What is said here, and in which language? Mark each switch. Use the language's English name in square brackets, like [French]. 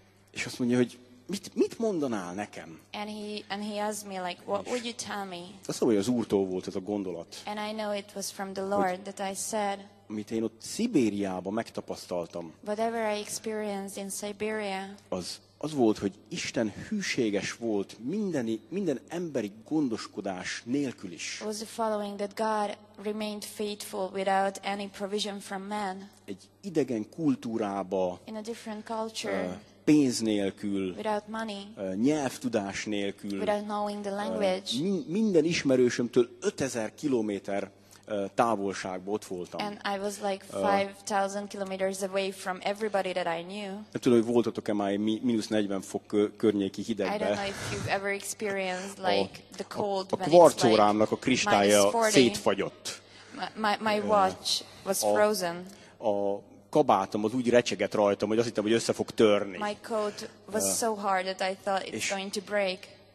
[Hungarian] És azt mondja, hogy mit mondanál nekem? [English] And he asked me like, what would you tell me? [Hungarian] Azt mondja, hogy az Úrtól volt ez a gondolat. [English] And I know it was from the Lord that I said. [Hungarian] Amit én ott Szibériában megtapasztaltam. [English] Whatever I experienced in Siberia. [Hungarian] Az volt, hogy Isten hűséges volt minden emberi gondoskodás nélkül is. [English] Was the following that God remained faithful without any provision from man. [Hungarian] Egy idegen kultúrába. [English] In a different culture. [Hungarian] Pénz nélkül. [English] Without money. [Hungarian] Nyelvtudás nélkül. [English] Without knowing the language. [Hungarian] Minden ismerősömtől 5000 kilométer távolságban ott voltam. [English] And I was like 5000 kilometers away from everybody that I knew. [Hungarian] Nem tudom, hogy voltatok-e már -40 fok környéki hidegben. [English] I don't know if you've ever experienced like the cold. [Hungarian] A kvarcórámnak a kristálya szétfagyott. [English] My watch was frozen. [Hungarian] A kabátom az úgy recsegett rajtam, hogy azt hittem, hogy össze fog törni. [English] My coat was so hard that I thought it's going to break.